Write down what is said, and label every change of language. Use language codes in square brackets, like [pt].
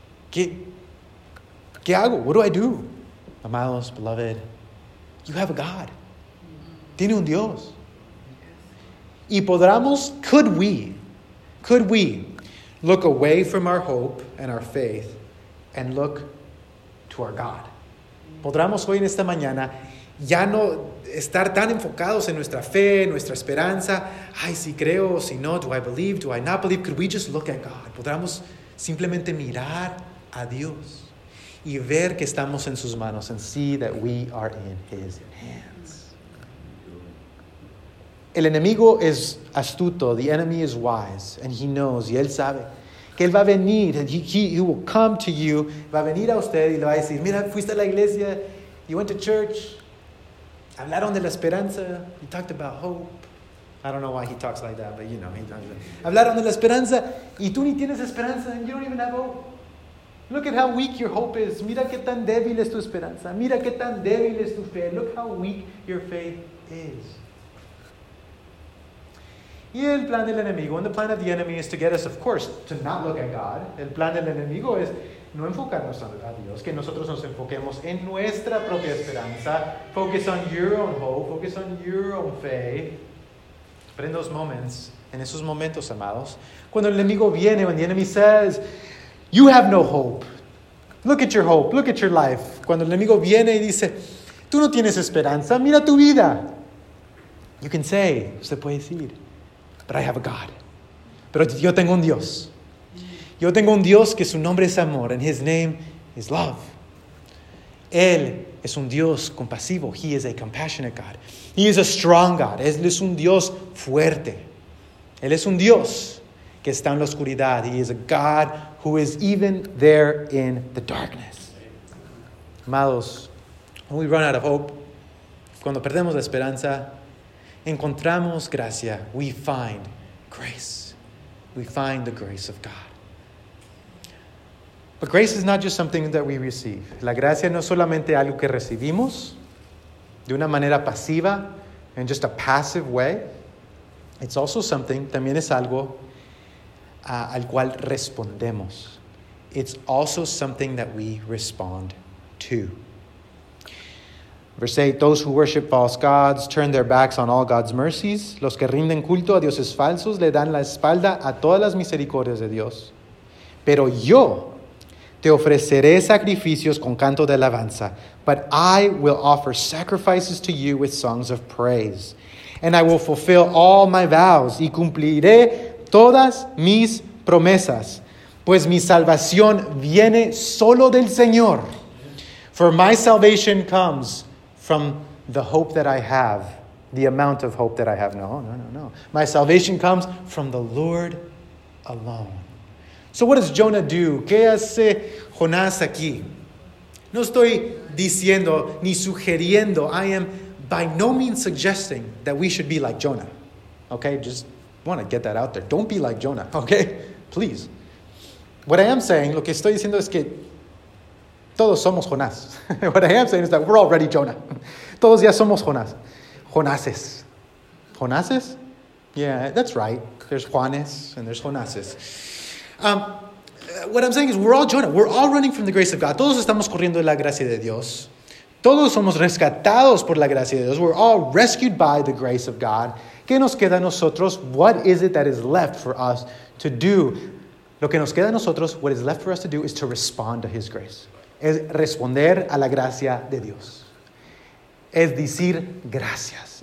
[es] ¿Qué hago? [en] What do I do? Amados, beloved, you have a God. [es] Tiene un Dios. Y podramos, [en] could we look away from our hope and our faith and look to our God? [es] Podramos hoy en esta mañana ya no estar tan enfocados en nuestra fe, nuestra esperanza. Ay, si creo, si no, [en] do I believe, do I not believe? Could we just look at God? [es] ¿Podríamos simplemente mirar a Dios y ver que estamos en sus manos [en] and see that we are in his hands? [es] El enemigo es astuto. [en] The enemy is wise. And he knows, [es] y él sabe, que él va a venir. [en] He will come to you. [es] Va a venir a usted y le va a decir, mira, fuiste a la iglesia. [en] You went to church. [es] Hablaron de la esperanza. [en] He talked about hope. I don't know why he talks like that, but you know, he talks like that. [es] Hablaron de la esperanza. Y tú ni tienes esperanza. [en] And you don't even have hope. Look at how weak your hope is. [es] Mira qué tan débil es tu esperanza. Mira qué tan débil es tu fe. [en] Look how weak your faith is. [es] Y el plan del enemigo. [en] And the plan of the enemy is to get us, of course, to not look at God. [es] El plan del enemigo es no enfocarnos a Dios, que nosotros nos enfoquemos en nuestra propia esperanza. [en] Focus on your own hope. Focus on your own faith. [es] Pero en esos momentos, amados, cuando el enemigo viene, [en] when the enemy says, you have no hope. Look at your hope. Look at your life. [es] Cuando el enemigo viene y dice, tú no tienes esperanza. Mira tu vida. [en] You can say, [es] usted puede decir, [en] but I have a God. [es] Pero yo tengo un Dios. Yo tengo un Dios que su nombre es amor, [en] and his name is love. [es] Él es un Dios compasivo. [en] He is a compassionate God. He is a strong God. [es] Él es un Dios fuerte. Él es un Dios que está en la oscuridad. [en] He is a God who is even there in the darkness. Amados, when we run out of hope, [es] cuando perdemos la esperanza, encontramos gracia. [en] We find grace. we find the grace of God. But grace is not just something that we receive. [es] La gracia no es solamente algo que recibimos de una manera pasiva, [en] in just a passive way. It's also something, [es] también es algo al cual respondemos. [en] It's also something that we respond to. Verse 8, those who worship false gods turn their backs on all God's mercies. [es] Los que rinden culto a dioses falsos le dan la espalda a todas las misericordias de Dios. Pero yo te ofreceré sacrificios con canto de alabanza. [en] But I will offer sacrifices to you with songs of praise. And I will fulfill all my vows. [es] Y cumpliré todas mis promesas. Pues mi salvación viene solo del Señor. [en] For my salvation comes from the hope that I have. The amount of hope that I have. No. My salvation comes from the Lord alone. So what does Jonah do? [es] ¿Qué hace Jonás aquí? No estoy diciendo ni sugiriendo. [en] I am by no means suggesting that we should be like Jonah. Okay, just want to get that out there. Don't be like Jonah, okay? Please. What I am saying, [es] lo que estoy diciendo es que todos somos Jonás. [en] What I am saying is that we're already Jonah. [es] Todos ya somos Jonás. [en] Jonases. Jonases? Yeah, that's right. There's Juanes and there's Jonases. What I'm saying is we're all Jonah. We're all running from the grace of God. [es] Todos estamos corriendo de la gracia de Dios. Todos somos rescatados por la gracia de Dios. [en] We're all rescued by the grace of God. [es] ¿Qué nos queda a nosotros? [en] What is it that is left for us to do? [es] Lo que nos queda a nosotros, [en] what is left for us to do, is to respond to His grace. [es] Es responder a la gracia de Dios. Es decir gracias.